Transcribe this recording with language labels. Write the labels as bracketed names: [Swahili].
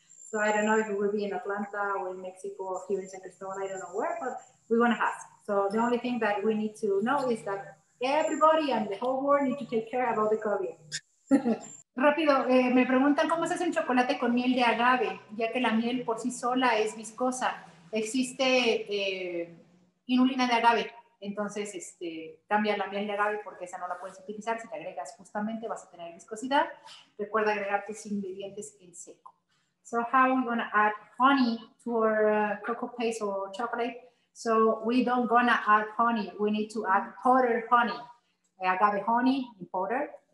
[English] So I don't know if it will be in Atlanta or in Mexico or here in San Cristobal, I don't know where, but we're gonna have. So the only thing that we need to know is that everybody and the whole world need to take care about the COVID. [Spanish] Rápido, me preguntan cómo se hace un chocolate con miel de agave, ya que la miel por sí sola es viscosa. Existe inulina de agave, entonces cambia la miel de agave porque esa no la puedes utilizar. Si te agregas justamente, vas a tener viscosidad. Recuerda agregar tus ingredientes en seco. [English] So how are we going to add honey to our cocoa paste or chocolate? So we don't gonna add honey. We need to add powdered honey, agave honey in powder.